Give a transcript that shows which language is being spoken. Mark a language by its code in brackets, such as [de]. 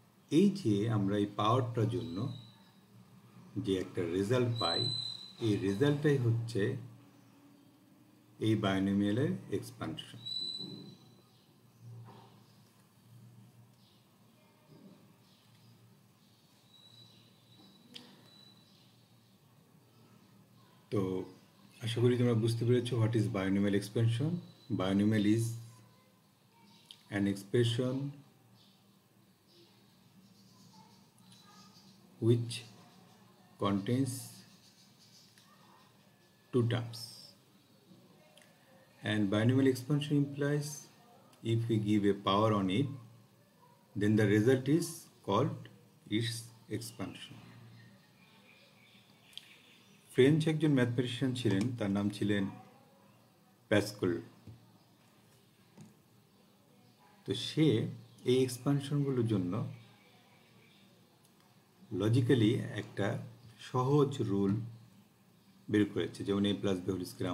[bn] এই যে আমরা এই পাওয়ারটার জন্য যে একটা রেজাল্ট পাই, এই রেজাল্টটাই হচ্ছে এই বাইনোমিয়ালের এক্সপ্যানশন। তো আশা করি তোমরা বুঝতে পেরেছো [en] What is binomial expansion. Binomial is an expression which contains two terms, and binomial expansion implies if we give a power on it then the result is called its expansion. [bn] French একজন mathematician ছিলেন, তার নাম ছিলেন Pascal. তো সে এই এক্সপ্যানশনগুলোর জন্য logically একটা সহজ রুল বের করেছে, যেমন এ প্লাস বি হোল স্কোয়ার।